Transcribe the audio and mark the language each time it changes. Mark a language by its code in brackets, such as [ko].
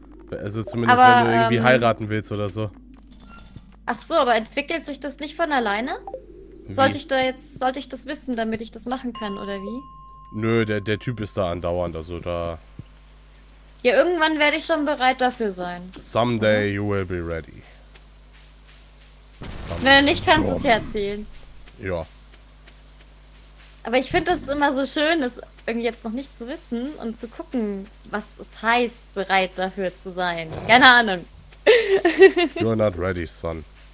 [de] Also zumindest, aber, wenn du irgendwie heiraten willst oder so. Ach so, aber entwickelt sich das nicht von alleine? Wie? Sollte ich das wissen, damit ich das machen kann, oder wie? Nö, der Typ ist da andauernd, also da... Ja, irgendwann werde ich schon bereit dafür sein. [en] Someday you will be ready. Someday. [de] Wenn nicht, kannst du es ja erzählen. Ja. Aber ich finde es immer so schön, das irgendwie jetzt noch nicht zu wissen und zu gucken, was es heißt, bereit dafür zu sein. Keine Ahnung. [en] You're not ready, son.